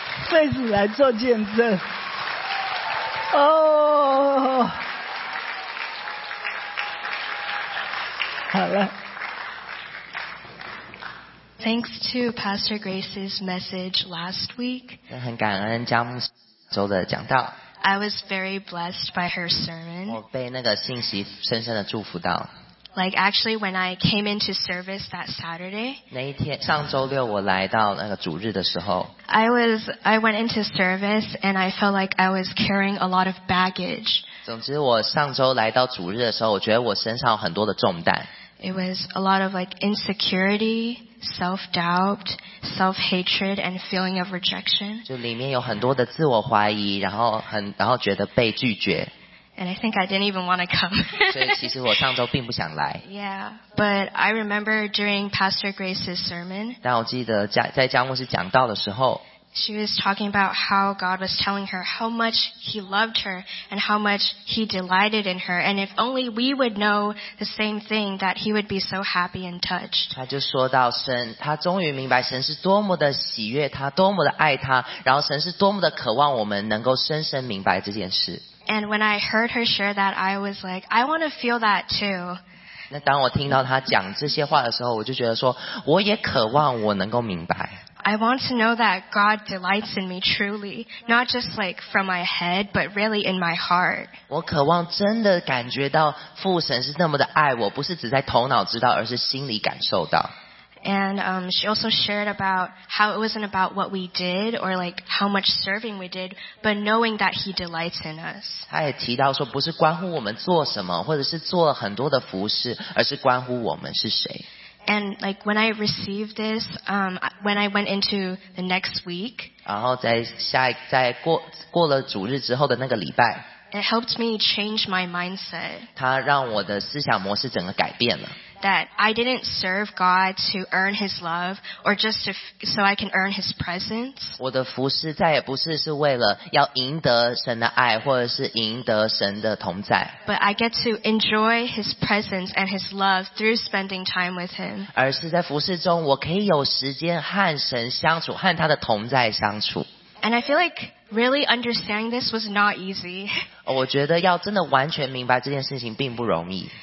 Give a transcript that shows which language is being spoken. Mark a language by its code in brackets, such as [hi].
[zh] Face 来做见证。哦，好了。 [en] Thanks to Pastor Grace's message last week. [zh] 很感恩江牧周的讲道。 [en] I was very blessed by her sermon. [zh] 我被那个信息深深的祝福到。 [en] Like actually, when I came into service that Saturday, [zh] 那一天上周六我来到那个主日的时候 [en] ，I went into service and I felt like I was carrying a lot of baggage. [zh] 总之，我上周来到主日的时候，我觉得我身上有很多的重担。 [en] It was a lot of like insecurity. Self-doubt, self-hatred, and feeling of rejection. [zh] 就里面有很多的自我怀疑，然后觉得被拒绝。 [en] And I think I didn't even want to come. [zh] 所以其实我上周并不想来。 [en] Yeah, but I remember during Pastor Grace's sermon. [zh] 但我记得在江牧师讲道的时候。 [en] She was talking about how God was telling her how much He loved her and how much He delighted in her. And if only we would know the same thing, that He would be so happy and touched. [zh] 他就说到神，他终于明白神是多么的喜悦他，多么的爱他，然后神是多么的渴望我们能够深深明白这件事。 [en] And when I heard her share that, I was like, I want to feel that too. [zh] 那当我听到他讲这些话的时候，我就觉得说，我也渴望我能够明白。 [en] I want to know that God delights in me truly, not just like from my head, but really in my heart. [zh] 我渴望真的感觉到父神是那么的爱我，不是只在头脑知道，而是心里感受到。 [en] And she also shared about how it wasn't about what we did or like how much serving we did, but knowing that He delights in us. [zh] 她也提到说，不是关乎我们做什么，或者是做了很多的服事，而是关乎我们是谁。 [en] And like when I received this, when I went into the next week, [zh] 然后在过了主日之后的那个礼拜， [en] it helped me change my mindset. [zh] 它让我的思想模式整个改变了。 [en] That I didn't serve God to earn His love or just to, so I can earn His presence. [zh] 我的服事再也不是是为了要赢得神的爱，或者是赢得神的同在。 [en] But I get to enjoy His presence and His love through spending time with Him. [zh] 而是在服事中，我可以有时间和神相处，和他的同在相处。 [en] And I feel like really understanding this was not easy. [zh] 我觉得要真的完全明白这件事情并不容易。